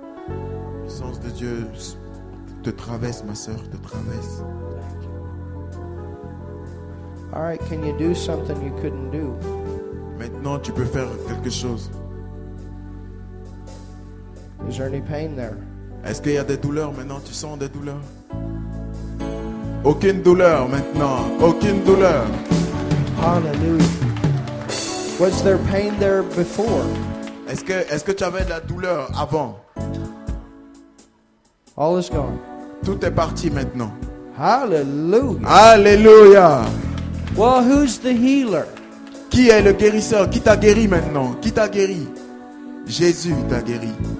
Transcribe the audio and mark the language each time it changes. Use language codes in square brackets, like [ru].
[fr] La puissance de Dieu te traverse, ma sœur, te traverse. [en] Thank you. All right, can you do something you couldn't do? [fr] Maintenant, tu peux faire quelque chose. [en] Is there any pain there? [fr] Est-ce qu'il y a des douleurs maintenant? Tu sens des douleurs? Aucune douleur maintenant. Aucune douleur. [en] Hallelujah. Was there pain there before? [fr] Est-ce que tu avais de la douleur avant? [en] All is gone. [fr] Tout est parti maintenant. [en] Hallelujah. Hallelujah. Well, who's the healer? [fr] Qui est le guérisseur? Qui t'a guéri maintenant? Qui t'a guéri? Jésus t'a guéri.